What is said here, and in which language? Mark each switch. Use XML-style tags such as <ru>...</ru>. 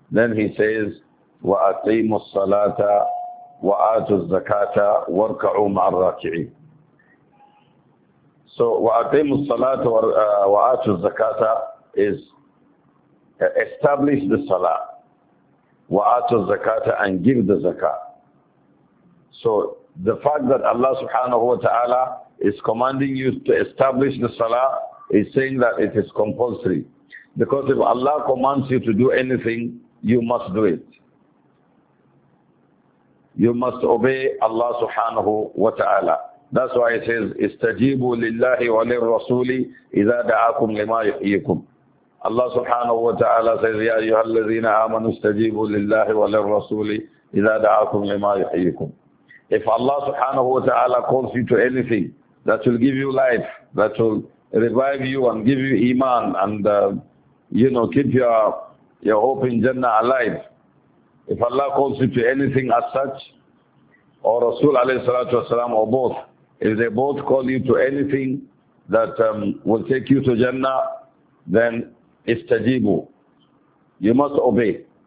<en>Then he says,</en> <ar>وَأَقِيمُوا الصَّلَاةَ وَآتُوا الزَّكَاةَ وَارْكَعُوا مَعَ الرَّاكِعِينَ.</ar> <en>So,</en> <ar>وَأَقِيمُوا الصَّلَاةَ وَآتُوا الزَّكَاةَ</ar> <en>is establish the salah.</en> <ar>وَآتُوا الزَّكَاةَ</ar> <en>and give the zakah. So, the fact that Allah subhanahu wa ta'ala is commanding you to establish the salah is saying that it is compulsory. Because if Allah commands you to do anything, you must do it. You must obey Allah subhanahu wa ta'ala. That's why it says,</en> <ar>استجيبوا لله وللرسول إذا دعاكم لما يحييكم.</ar> <en>Allah subhanahu wa ta'ala says,</en> <ar>يا أيها الذين آمنوا استجيبوا لله وللرسول إذا دعاكم لما يحييكم.</ar> <en>If Allah subhanahu wa ta'ala calls you to anything that will give you life, that will revive you and give you iman and keep your hope in Jannah alive, if Allah calls you to anything as such, or Rasul alayhi salatu wasalam, or both, if they both call you to anything that will take you to Jannah, then istajibu. You must obey.</en>